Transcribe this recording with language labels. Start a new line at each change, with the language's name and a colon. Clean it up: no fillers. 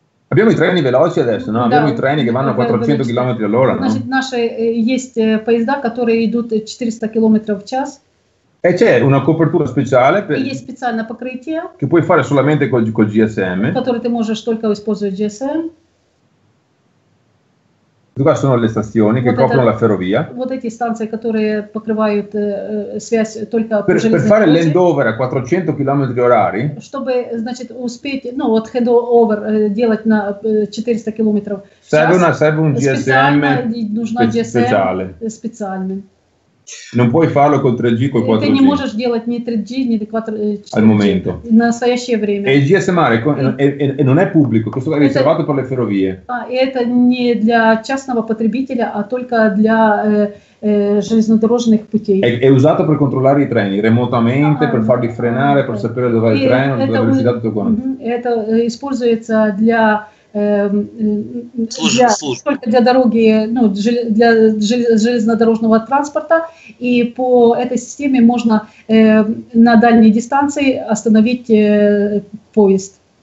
Italian: Abbiamo i treni veloci adesso, no? Abbiamo i treni che vanno a 400 km all'ora, no?
Russian: Значит, наши есть поезда, которые идут 400 км в час.
Italian: E c'è una copertura speciale per.
Russian: Есть специальное покрытие.
Italian: Che puoi fare solamente col GSM.
Russian: Который ты можешь только использовать GSM.
Italian: Dove sono le stazioni che coprono la ferrovia?
Russian: Вот эти станции, которые покрывают связь только
Italian: по железной дороге. Per fare l'handover a 400 km/h.
Russian: Чтобы, значит, успеть, ну, вот handover делать на 400 км.
Italian: Serve un GSM speciale.
Russian: Специальный.
Italian: Non puoi farlo con 3G, con 4G.
Russian: Ты не можешь делать ни 3G, ни 4G.
Italian: Al momento.
Russian: На настоящее время.
Italian: E il GSM-R non è pubblico, questo è riservato per le ferrovie.
Russian: Это не для частного потребителя, а только для железнодорожных путей.
Italian: È usato per controllare i treni, remotamente, per farli frenare, per sapere dove va il treno, dove la velocità, tutto quanto.
Russian: Это используется для... только для дороги, ну, для железнодорожного транспорта, и по этой системе можно на дальней дистанции остановить поезд.